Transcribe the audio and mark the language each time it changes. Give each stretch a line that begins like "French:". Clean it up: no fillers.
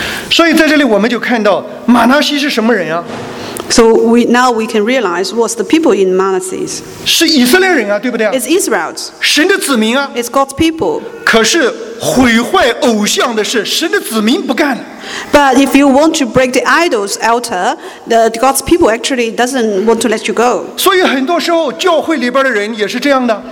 Chinese: 所以在这里我们就看到马拿西是什么人啊
English: ？So now we can realize what's the people in Manasseh？
Chinese: 是以色列人啊，对不对
English: ？It's Israel。
Chinese: 神的子民啊
English: ？It's God's people。
Chinese: 可是毁坏偶像的事，神的子民不干。
English: But if you want to break the idol's altar, the God's people actually doesn't want to let you go.
Chinese: 所以很多时候教会里边的人也是这样的。